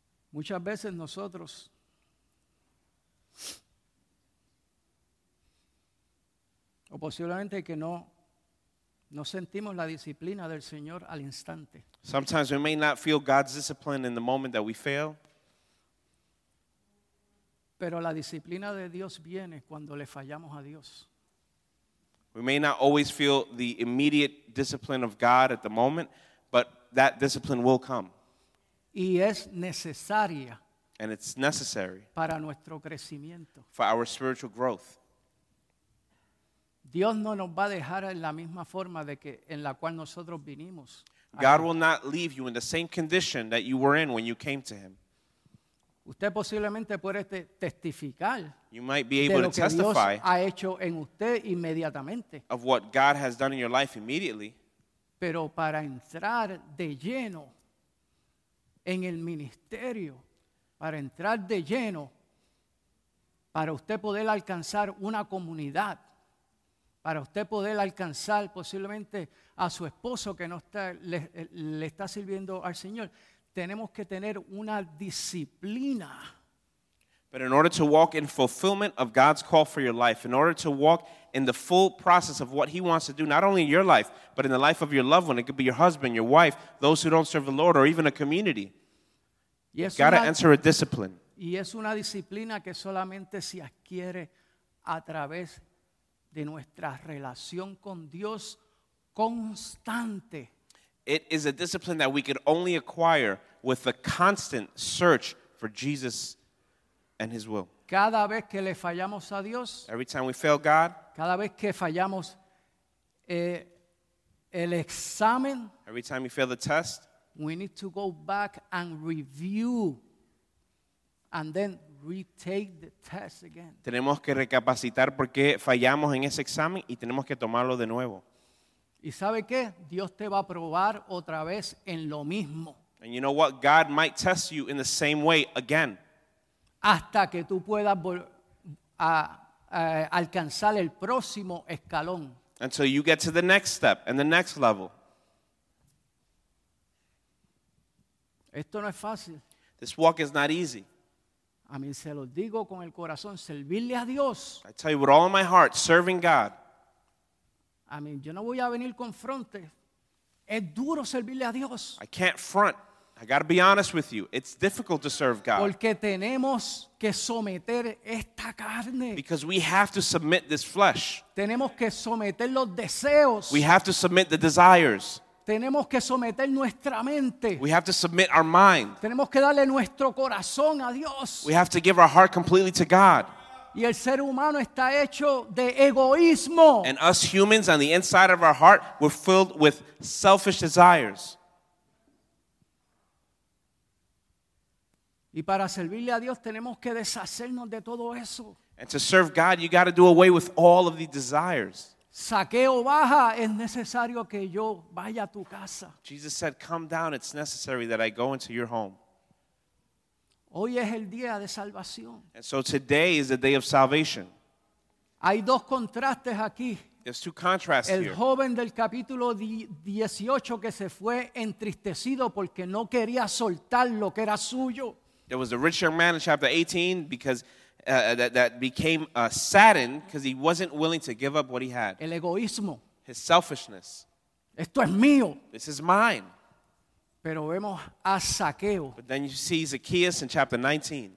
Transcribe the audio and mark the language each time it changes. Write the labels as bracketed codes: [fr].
[es] Muchas veces nosotros o posiblemente que no no sentimos la disciplina del Señor al instante. [en] Sometimes we may not feel God's discipline in the moment that we fail. [es] Pero la disciplina de Dios viene cuando le fallamos a Dios. [en] We may not always feel the immediate discipline of God at the moment, but that discipline will come. [es] Y es necesaria. [en] And it's necessary. [es] Para nuestro crecimiento. [en] For our spiritual growth. [es] Dios no nos va a dejar en la misma forma de que en la cual nosotros vinimos. [en] God will not leave you in the same condition that you were in when you came to him. [es] Usted posiblemente puede testificar. [en] You might be able to testify. [es] De lo que Dios ha hecho en usted inmediatamente. [en] Of what God has done in your life immediately. [es] Pero para entrar de lleno en el ministerio, para entrar de lleno, para usted poder alcanzar una comunidad, para usted poder alcanzar posiblemente a su esposo que no está, le está sirviendo al Señor, tenemos que tener una disciplina. [en] But in order to walk in fulfillment of God's call for your life, in order to walk in the full process of what he wants to do, not only in your life, but in the life of your loved one, it could be your husband, your wife, those who don't serve the Lord, or even a community, you've got to enter a discipline. [es] Y es una disciplina que solamente se adquiere a través de nuestra relación con Dios constante. [en] It is a discipline that we could only acquire with the constant search for Jesus and his will. [es] Cada vez que le fallamos a Dios, [en] every time we fail God, [es] cada vez que fallamos el examen, [en] every time we fail the test, we need to go back and review and then retake the test again. [es] Tenemos que recapacitar por qué fallamos en ese examen y tenemos que tomarlo de nuevo. ¿Y sabe qué? Dios te va a probar otra vez en lo mismo. [en] And you know what? God might test you in the same way again. [es] Hasta que tú puedas alcanzar el próximo escalón. [en] Until you get to the next step and the next level. [es] Esto no es fácil. [en] This walk is not easy. [es] A mí se los digo con el corazón, servirle a Dios. [en] I tell you with all my heart, serving God. [es] A mí, yo no voy a venir con frontes. Es duro servirle a Dios. [en] I can't front. I got to be honest with you. It's difficult to serve God. [es] Porque tenemos que someter esta carne. [en] Because we have to submit this flesh. [es] Tenemos que someter los deseos. [en] We have to submit the desires. [es] Tenemos que someter nuestra mente. [en] We have to submit our mind. [es] Tenemos que darle nuestro corazón a Dios. [en] We have to give our heart completely to God. [es] Y el ser humano está hecho de egoísmo. [en] And us humans, on the inside of our heart, we're filled with selfish desires. [es] Y para servirle a Dios tenemos que deshacernos de todo eso. [en] And to serve God, you got to do away with all of the desires. [es] Zaqueo, baja, es necesario que yo vaya a tu casa. [en] Jesus said, come down, it's necessary that I go into your home. [es] Hoy es el día de salvación. [en] And so today is the day of salvation. [es] Hay dos contrastes aquí. [en] There's two contrasts [es] el [en] here. [es] Joven del capítulo 18 que se fue entristecido porque no quería soltar lo que era suyo. [en] There was a rich young man in chapter 18 because that became saddened because he wasn't willing to give up what he had. [es] El egoísmo. [en] His selfishness. [es] Esto es mío. [en] This is mine. [es] Pero vemos a Zaqueo. [en] But then you see Zacchaeus in chapter 19.